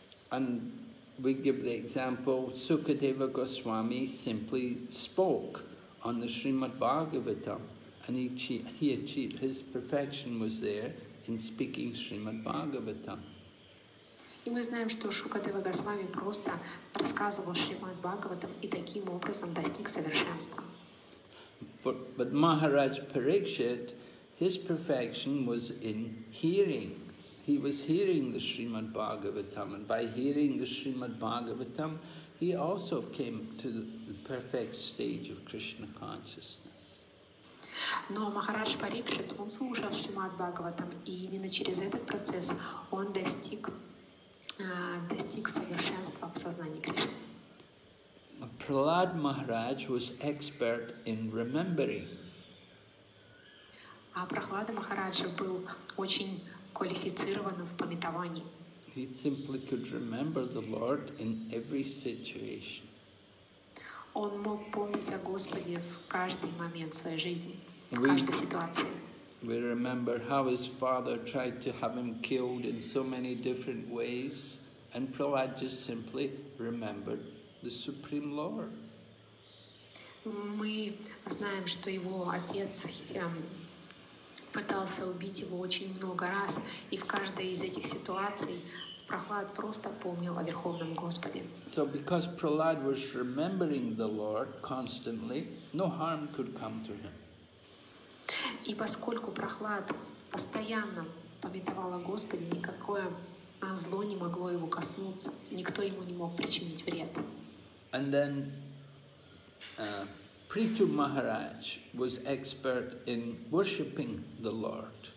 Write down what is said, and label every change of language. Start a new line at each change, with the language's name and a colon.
English: And we give the example, Sukadeva Goswami simply spoke on the Srimad Bhagavatam, and he achieved, his perfection was there in speaking Srimad Bhagavatam.
Russian: И мы знаем, что Шукадева Госвами просто рассказывал Шримад Бхагаватам и таким образом достиг совершенства.
English: But Maharaj Parikshit, his perfection was in hearing. He was hearing the Srimad Bhagavatam, and by hearing the Srimad Bhagavatam, he also came to the perfect stage of Krishna consciousness.
Russian: Но Махарадж Парикшит, он слушал Шримад Бхагаватам, и именно через этот процесс он достиг совершенства в сознании Кришны.
English: Prahlad Maharaj was expert in remembering.
Russian: А Прохлада Махараджа был очень квалифицированным в памятовании.
English: He simply could remember the Lord in every situation.
Russian: Он мог помнить о Господе в каждый момент своей жизни, в каждой ситуации.
English: We remember how his father tried to have him killed in so many different ways, and Prahlad just simply remembered the Supreme Lord.
Russian: Мы знаем, что его отец пытался убить его очень много раз, и в каждой из этих ситуаций Прохлад просто помнил о Верховном Господе.
English: So because Prahlad was remembering the Lord constantly, no harm could come to him.
Russian: И поскольку Прохлад постоянно памятовал о Господе, никакое зло не могло его коснуться, никто ему не мог причинить вред.
English: And then Prithu Maharaj was expert in worshipping the Lord.